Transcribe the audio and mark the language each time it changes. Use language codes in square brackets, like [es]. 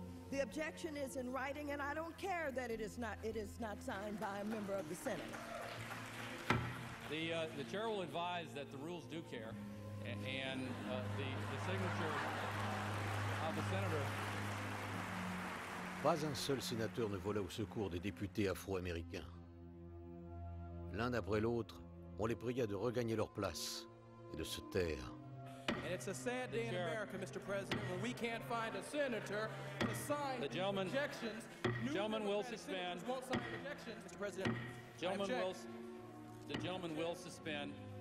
[en] The objection is in writing, and I don't care that it is not signed by a member of the Senate. The chair will advise that the rules do care, and the signature of the senator. [fr] Pas un seul sénateur ne vola au secours des députés afro-américains. L'un après l'autre, on les pria de regagner leur place et de se taire. [en] And it's a sad day in America, Mr. President, when we can't find a senator to sign the gentleman, objections. Gentlemen will suspend. Won't sign objections, Mr. President. Gentlemen will. The gentleman will suspend.